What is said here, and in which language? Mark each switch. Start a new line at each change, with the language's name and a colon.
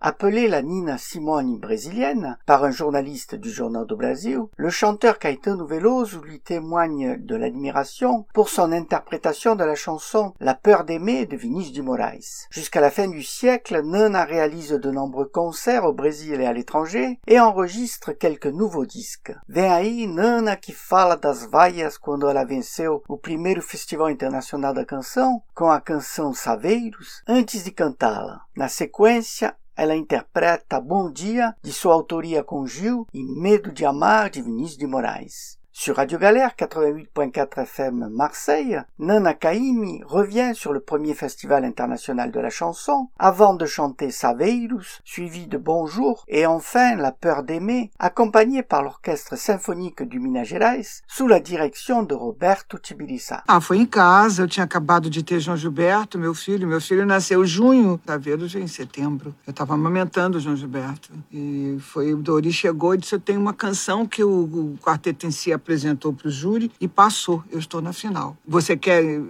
French: Appelée la Nina Simone brésilienne par un journaliste du Journal do Brasil, le chanteur Caetano Veloso lui témoigne de l'admiration pour son interprétation de la chanson La peur d'aimer de Vinícius de Moraes. Jusqu'à la fin du siècle, Nana réalise de nombreux concerts au Brésil et à l'étranger et enregistre quelques nouveaux disques.
Portuguese: Vem aí Nana que fala das vaias quando ela venceu o primeiro festival internacional da canção com a canção Saveiros antes de cantá-la. Na sequência, ela interpreta Bom Dia, de sua autoria com Gil, e Medo de Amar, de Vinícius de Moraes.
French: Sur Radio Galère 88.4 FM Marseille, Nana Caymmi revient sur le premier festival international de la chanson avant de chanter Saveiros, suivi de Bonjour et enfin La peur d'aimer, accompagné par l'orchestre symphonique du Minas Gerais sous la direction de Roberto Tibirissá.
Portuguese: Ah, foi em casa, eu tinha acabado de ter João Gilberto, meu filho nasceu em junho, Saveiros em setembro. Eu estava amamentando João Gilberto e foi o Dori chegou e disse: "Eu tenho uma canção que o quarteto em si apresentou para o júri e passou. Eu estou na final. Você quer?"